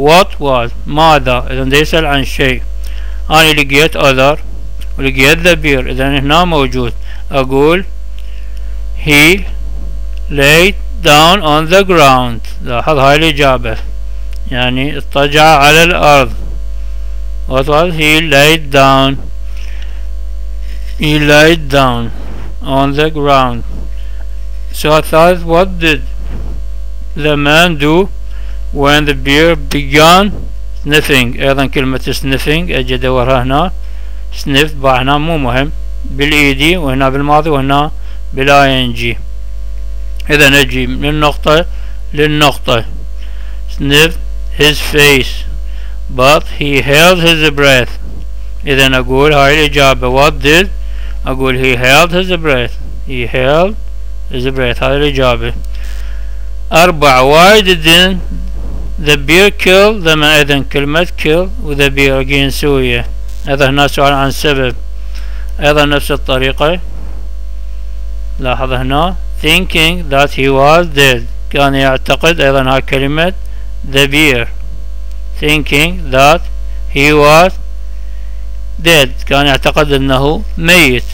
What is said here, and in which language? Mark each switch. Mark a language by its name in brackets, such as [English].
[English] what was، [Arabic] ماذا، اذا يسأل عن شيء، انا لقيت other ولقيت [English] the beer، [Arabic] اذا هنا موجود، اقول [English] he laid down on the ground، [Arabic] لاحظ هاي الاجابة يعني اضطجع على الارض. [English] what was he laid down، he laid down on the ground. [Arabic] سؤال ثالث، [English] what did the man do when the beer began sniffing، [Arabic] ايضا كلمة sniffing اجي ادورها هنا، sniff بقى هنا مو مهم، بالايدي وهنا بالماضي وهنا بالـ ing، اذا اجي من النقطة للنقطة، [English] sniff his face but he held his breath، [Arabic] اذا اقول هاي الاجابة. [English] what did، [Arabic] اقول [English] he held his breath، he held his breath، [Arabic] هاي الاجابة. اربع، [English] why didn't the beer kill the man، [Arabic] اذا كلمة kill و [English] the beer [Arabic] again سوية، اذا هنا سؤال عن سبب، ايضا نفس الطريقة، لاحظ هنا [English] thinking that he was dead، [Arabic] كان يعتقد ايضا هاي كلمة the beer، thinking that he was dead، كان يعتقد انه ميت.